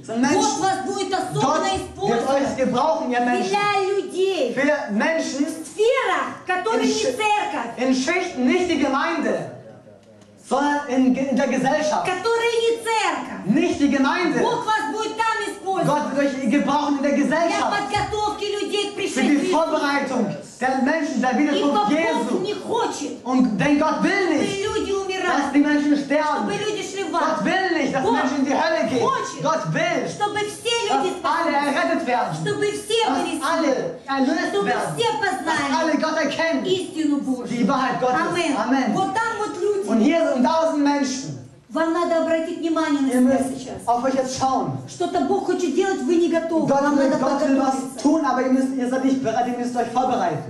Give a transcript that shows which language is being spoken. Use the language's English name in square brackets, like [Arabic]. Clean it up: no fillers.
[Russian] Вот вас будет особенно использовать для людей. В сферах, которые не церковь. [German] In Schichten, nicht die Gemeinde, sondern in der Gesellschaft. [Russian] Которые не церковь. [German] Nicht die Gemeinde. [Russian] Вот вас будет там использовать. [German] Gott wird euch gebrauchen in der Gesellschaft. [Russian] Для подготовки людей к пришествию. [German] Für die Vorbereitung der Menschen, der Wiederkunft Jesu. [Russian] Не хочет. [German] Und denn Gott will nicht, [Russian] люди умирают, [German] dass die Menschen sterben. [Russian] Чтобы люди [German] Menschen die Hölle gehen. Gott will, dass alle errettet werden, dass alle erlöst werden, dass alle Gott erkennen, die Wahrheit Gottes. Amen. Und hier sind 1000 Menschen. [Russian] Вам надо обратить внимание на себя сейчас. Что-то Бог хочет делать, вы не готовы. [German] Gott, [Russian] вам надо Gott подготовиться.